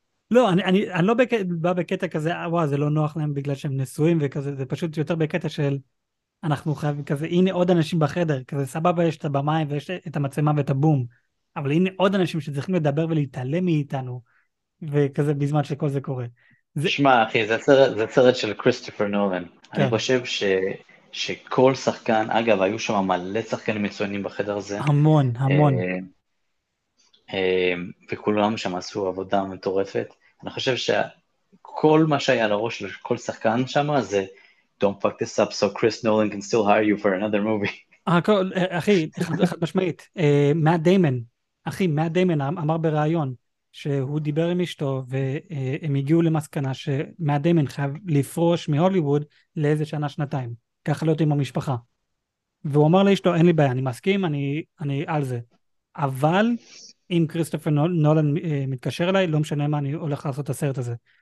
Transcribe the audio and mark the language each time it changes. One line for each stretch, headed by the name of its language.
Hebrew: לא, אני לא בא בקטע כזה, וואה, זה לא נוח להם בגלל שהם נשואים וכזה, זה פשוט יותר בקטע של אנחנו חייבים כזה, הנה עוד אנשים בחדר, כזה סבבה, יש את הבמה ויש את המצלמה ואת הבום, אבל הנה עוד אנשים שצריכים לדבר ולהתעלם מאיתנו, וכזה בזמן שכל זה קורה. שמע, אחי, זה סרט של כריסטופר נולן. אני חושב שכל שחקן, אגב, היו שם מלא שחקנים מצוינים בחדר הזה. המון, המון. וכולם שם עשו עבודה מטורפת. אני חושב שכל מה שהיה לראש של כל שחקן שם זה
English: Don't fuck this up so Chris Nolan can still hire you for another movie.
Hebrew: אחי, חד משמעית, מאט דיימן, אחי, מאט דיימן אמר בריאיון שהוא דיבר עם אשתו והם הגיעו למסקנה שמאט דיימן חייב לפרוש מהוליווד לאיזה שנה, שנתיים, ככה להיות עם המשפחה. והוא אמר לאשתו, אין לי בעיה, אני מסכים, אני על זה. אבל אם כריסטופר נולן מתקשר אליי, לא משנה מה, אני הולך לעשות את הסרט הזה.